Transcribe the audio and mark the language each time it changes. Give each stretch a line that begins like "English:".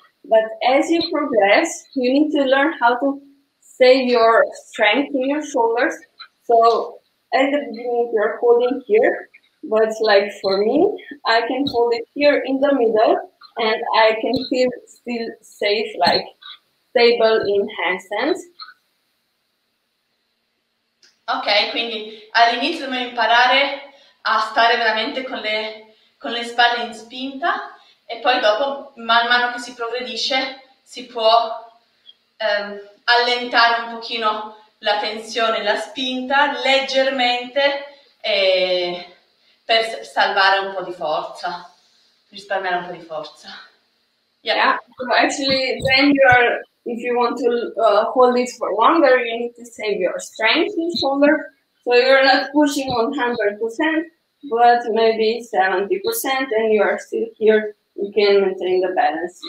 English: But as you progress, you need to learn how to save your strength in your shoulders. So at the beginning, you're holding here. But like for me, I can hold it here in the middle and I can feel still safe, like stable in handstands.
Italian: Ok, quindi all'inizio dobbiamo imparare a stare veramente con le spalle in spinta e poi dopo, man mano che si progredisce, si può allentare un pochino la tensione, la spinta, leggermente e per salvare un po' di forza, risparmiare un po' di forza.
English: Yeah, yeah. So actually, then you are, if you want to hold this for longer, you need to save your strength in shoulder. So you're not pushing 100%, but maybe 70%, and you are still here. You can maintain the balance.